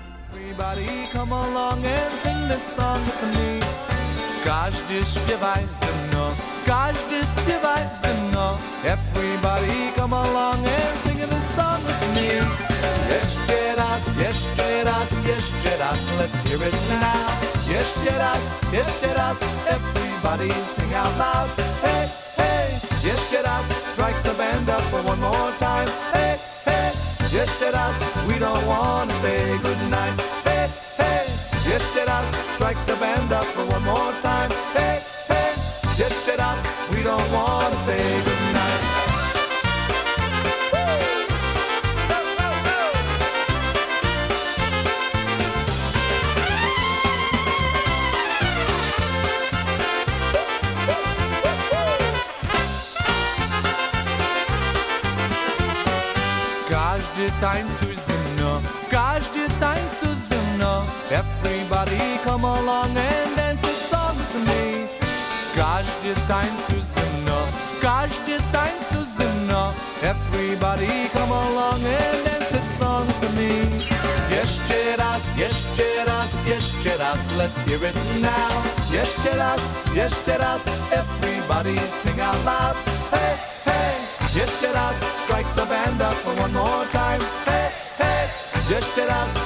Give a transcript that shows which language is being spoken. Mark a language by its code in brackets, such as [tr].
[en] Everybody come along and sing this song with me. [pl] Każdy śpiewaj ze mną. Każdy śpiewaj ze mną. [en] Everybody come along and sing this song with me. [pl] Jeszcze raz, jeszcze raz, jeszcze raz. [en] Let's hear it now. [pl] Jeszcze raz, jeszcze raz. [en] Everybody sing out loud. Hey, hey. [pl] Jeszcze raz. [en] Strike the band up for one more time. Hey, hey. [pl] Jeszcze raz. [en] We don't want to say goodnight. Hey, hey. [pl] Jeszcze raz. [en] Strike the band up for one more time. Hey, us. We don't want to say goodnight. Woo! Go, go, go! Woo, woo, woo, woo! [pl] Każdy tańczy ze mną. Każdy tańczy ze mną. [en] Everybody come along and dance a song with me. [pl] Każdy tańczy ze mną. Każdy tańczy ze mną. [en] Everybody come along and dance a song for me. [pl] Jeszcze raz, jeszcze raz, jeszcze raz. [en] Let's hear it now. [pl] Jeszcze raz, jeszcze raz. [en] Everybody sing out loud. Hey, hey. [pl] Jeszcze raz. [en] Strike the band up for one more time. Hey, hey. [pl] Jeszcze raz.